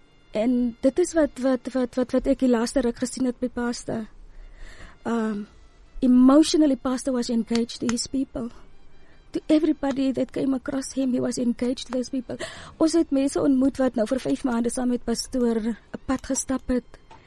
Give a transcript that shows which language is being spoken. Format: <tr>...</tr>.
<af>En dit is wat ek die laaste ruk gesien het by Pastor.</af> <en>Emotionally Pastor was engaged to his people. to everybody that came across him, he was engaged to those people.</en> <af>Ons het mense ontmoet wat nou vir 5 maande saam met pastoor 'n pad gestap het.</af>